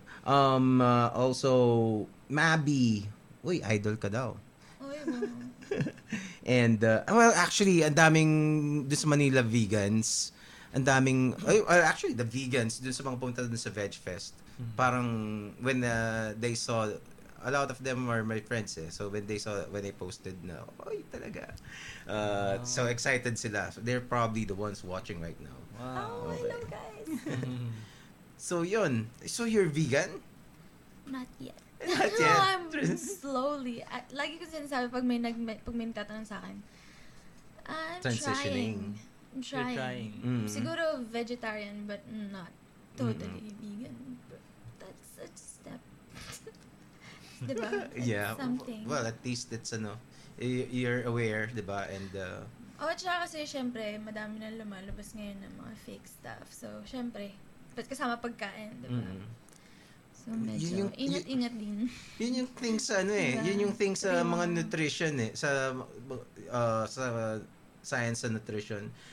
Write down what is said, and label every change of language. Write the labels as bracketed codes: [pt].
[tl] Also Mabby. Uy, idol ka daw. Uy, and well, actually, ang daming dun sa Manila vegans, ang daming actually the vegans dun sa mga pumunta dun sa Veg Fest. Mm-hmm. [en] Parang when they saw, a lot of them are my friends eh. So when they saw, when they posted na, [tl] oy, talaga. [en] So excited sila. So they're probably the ones watching right now. Wow. Oh, I love guys. So yun. So you're vegan? Not yet. Not yet. No, I'm slowly. [tl] Lagi ko sinasabi pag may nagtatanong sa akin. [en] I'm trying. Mm-hmm. Siguro vegetarian but not totally vegan. But that's a step. Diba? Yeah. Something. Well, at least it's ano, you're aware, diba? And [tl] tsaka kasi syempre, madami na lumalabas ngayon ng mga fake stuff. So syempre, but kasama pagkain, di ba? Mm-hmm. So medyo ingat-ingat din. Yun yung thing sa ano eh. Diba? Yun yung thing sa mga nutrition eh. [en] Sa science and nutrition.